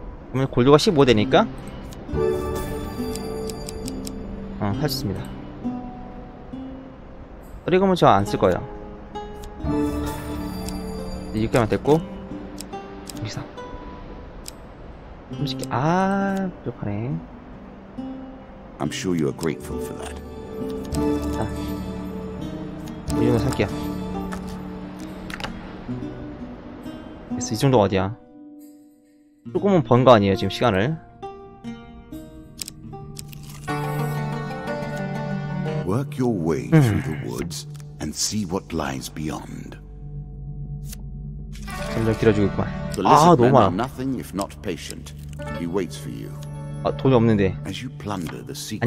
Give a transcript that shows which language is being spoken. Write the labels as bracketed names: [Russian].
[Korean] 그러면 골드가 15 되니까 할 수 있습니다. 그리고는 저 안 쓸 거예요. 이렇게만 됐고 여기서 30개. 아 부족하네. [English] I'm sure you are grateful for that. [Korean] 자, 이 정도 살게요. 됐어, 이 정도 어디야? 조금은 번 거 아니에요 지금 시간을. [English] Work your way through the woods. And see what lies beyond. [Korean] 점점 길어지겠구만. 아 너무 많아. [English] Nothing if not patient. He waits for you. [Korean] 아 돈이 없는데. [English] As you plunder the secrets.